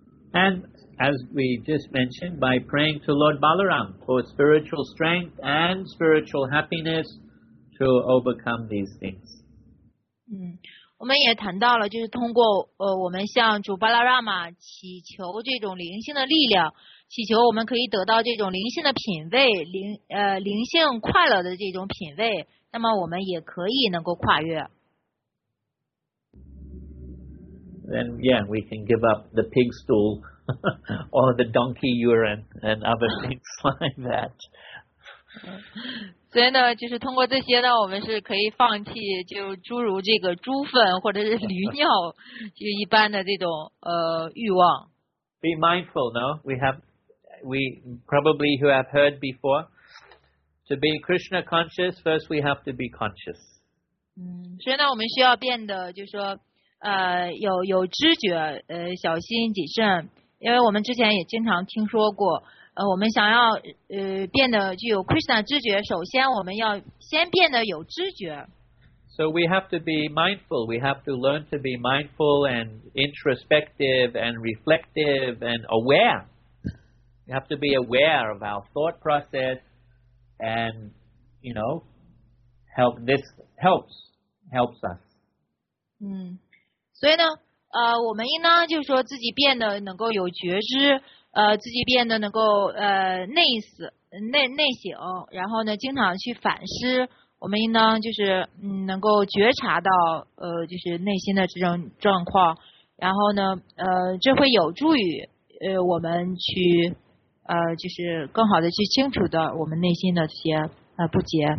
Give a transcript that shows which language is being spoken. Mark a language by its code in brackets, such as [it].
[en] And as we just mentioned, by praying to Lord Balaram for spiritual strength and spiritual happiness. To overcome these things. [zh] 我们也谈到了，就是通过我们向主巴拉拉玛祈求这种灵性的力量，祈求我们可以得到这种灵性的品位，灵性快乐的这种品位，那么我们也可以能够跨越。 [en] Then yeah, we can give up the pig stool or the donkey urine and other things like that. [zh] 所以呢，就是通过这些呢，我们是可以放弃就诸如这个猪粪或者是驴尿，就一般的这种欲望。 [en] Be mindful, no? We probably who have heard before. To be Krishna conscious, first we have to be conscious. [zh] 所以呢，我们需要变得就是说有知觉，小心谨慎，因为我们之前也经常听说过。我们想要变得具有 Krishna 知觉，首先我们要先变得有知觉。 [en] So we have to be mindful. We have to learn to be mindful and introspective and reflective and aware. We have to be aware of our thought process, and you know, help. This helps us. [zh] 所以呢，我们应当就是说自己变得能够有觉知。自己变得能够内省，然后呢经常去反思，我们应当就是能够觉察到就是内心的这种状况，然后呢这会有助于我们去就是更好的去清楚的我们内心的这些不洁。